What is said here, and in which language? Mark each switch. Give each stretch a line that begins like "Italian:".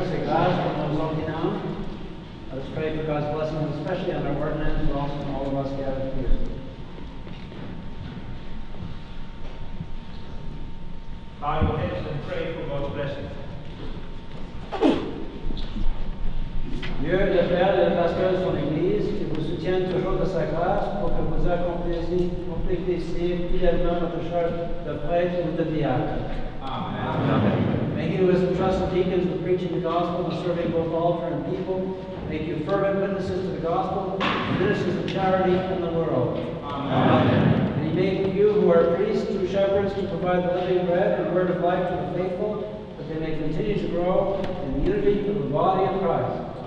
English: Let's pray for God's blessing, especially on our ordinance, but also on all of us gathered here. Bow your heads and pray for God's blessing.
French: Dieu le Père et le Pasteur de son Église, qui vous soutient toujours de sa grâce pour que vous accomplissiez fidèlement notre charge de prêtre ou de diacre. Amen.
English: May he who has entrusted deacons with preaching the gospel and serving both altar and people make you fervent witnesses to the gospel, ministers of charity in the world. Amen. And he may you who are priests through shepherds to provide the living bread and word of life to the faithful, that they may continue to grow in unity of the body of Christ.